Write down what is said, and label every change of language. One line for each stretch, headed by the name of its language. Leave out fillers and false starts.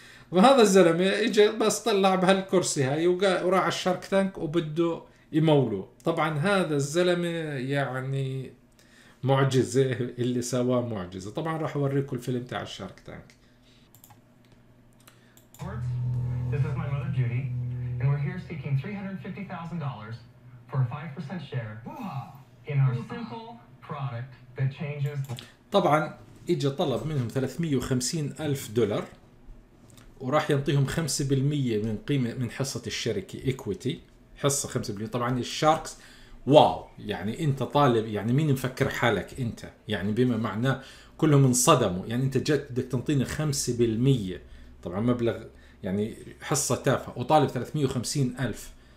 Arabic: وهذا الزلمة اجى بس طلع بهالكرسي هاي وراع الشارك تانك وبده يموله. طبعا هذا الزلمة يعني معجزة اللي سواه معجزة. طبعا راح اوريكم الفيلم تاع الشارك تانك.
English: This is my mother Judy, and we're here seeking $350,000 for a 5% share in our simple product that changes.
Arabic: طبعا اجى طلب منهم 350,000 دولار، وراح ينطيهم 5% من قيمة من حصة الشركة إكويتي، حصة 5%. طبعا الشاركس واو، يعني انت طالب، يعني مين مفكر حالك انت؟ يعني بما معناه كلهم انصدموا، يعني انت جات بدك تنطيني 5%، طبعا مبلغ يعني حصة تافهة، وطالب 350,000.